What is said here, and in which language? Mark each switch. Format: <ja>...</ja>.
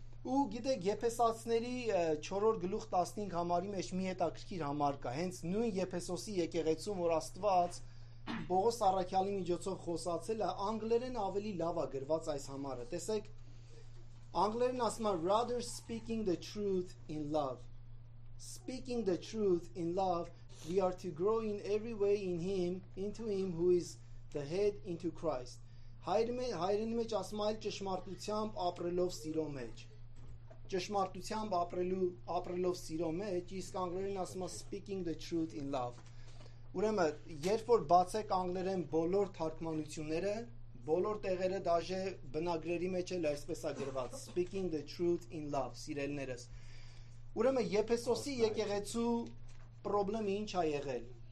<hy>Ու գիտեք, Եփեսացների 4-րդ գլուխ 15 համարի մեջ մի հետաքրքիր համար կա, հենց նույն Եփեսոսի եկեղեցում, որ Աստված Պողոս առաքյալի միջոցով խոսացել է, անգլերեն ավելի լավ է գրված այս համարը։ Տեսեք, անգլերեն ասում է</hy> <en>rather speaking the truth in love. Speaking the truth in love, we are to grow in every way in him, into him who is the head, into Christ.</en> <hy>Հայրենի մեջ ասում է, ճշմարտությամբ ապրելով սիրո մեջ, ճշմարտությամբ ապրելով սիրո մեջ, իսկ անգլերեն ասում է</hy> <en>speaking the truth in love։</en> <hy>Ուրեմն, երբ որ բացեք անգլերեն բոլոր թարգմանությունները, բոլոր տեղերը դաժե բնագրերի մեջ էլ այսպես է գրված, speaking the truth in love, սիրելներս։ Ուրեմն, Եփեսոսի եկեղեցու պրոբլեմը ինչ ա եղել։</hy>